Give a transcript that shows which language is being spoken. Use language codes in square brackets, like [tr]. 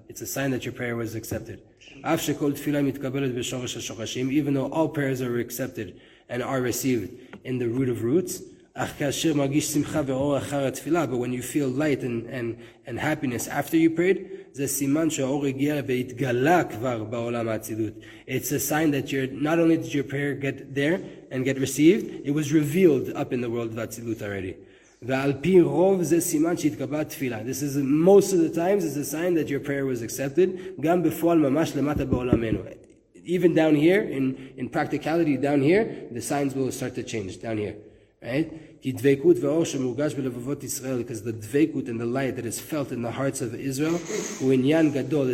[en] It's a sign that your prayer was accepted. [he] אף שכל תפילה מתקבלת בשורש השורשים, [en] even though all prayers are accepted and are received in the root of roots, [he] אך כאשר מרגיש שמחה ואור אחר התפילה, [en] but when you feel light and happiness after you prayed, [he] זה סימן שהאור הגיע והתגלה כבר בעולם האצילות. [en] It's a sign that you're, not only did your prayer get there and get received, it was revealed up in the world of האצילות already. [he] ועל פי רוב זה סימן שהתקבלה תפילה. [en] This is, most of the times, it's a sign that your prayer was accepted, [he] גם בפועל ממש למטה בעולמנו. [en] Even down here, in practicality down here, the signs will start to change down here. Right? [he] כי דבקות ואור שמורגש בלבבות ישראל, [en] because the דבקות and the light that is felt in the hearts of Israel, [he] הוא עניין גדול.